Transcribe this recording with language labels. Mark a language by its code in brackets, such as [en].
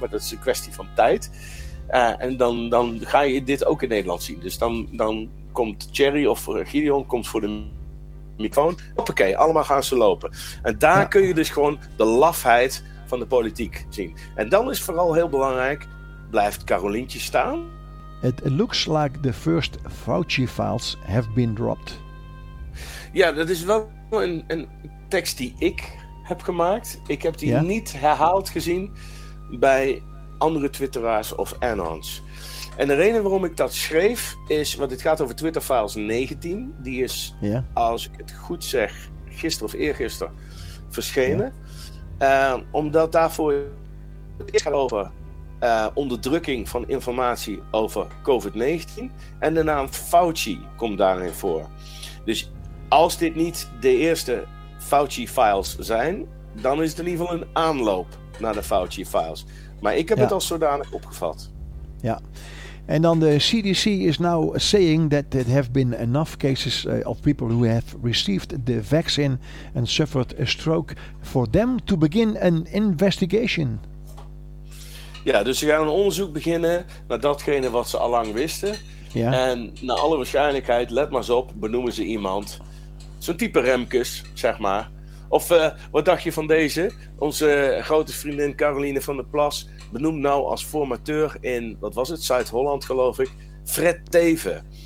[nl] Maar dat is een kwestie van tijd. En dan ga je dit ook in Nederland zien. Dus dan komt Thierry of Gideon komt voor de microfoon. Hoppakee, allemaal gaan ze lopen. En daar kun je dus gewoon de lafheid van de politiek zien. En dan is vooral heel belangrijk, blijft Carolientje staan? [en] It looks like the first Fauci files have been dropped. [nl] Ja, dat is wel een tekst die ik heb gemaakt. Ik heb die niet herhaald gezien bij andere twitteraars of anons. En de reden waarom ik dat schreef is, want het gaat over Twitter Files 19. Die is, als ik het goed zeg, gisteren of eergisteren verschenen. Ja. Omdat daarvoor het eerst gaat over onderdrukking van informatie over COVID-19. En de naam Fauci komt daarin voor. Dus als dit niet de eerste Fauci-files zijn, dan is het in ieder geval een aanloop naar de Fauci-files. Maar ik heb het als zodanig opgevat. Ja. En dan de [en] CDC is now saying that there have been enough cases of people who have received the vaccine and suffered a stroke for them to begin an investigation. [nl] Ja, dus ze gaan een onderzoek beginnen naar datgene wat ze allang wisten. Ja. En naar alle waarschijnlijkheid, let maar eens op, benoemen ze iemand. Zo'n type Remkes, zeg maar. Of wat dacht je van deze? Onze grote vriendin Caroline van der Plas, benoemd nou als formateur in, wat was het, Zuid-Holland geloof ik, Fred Teven.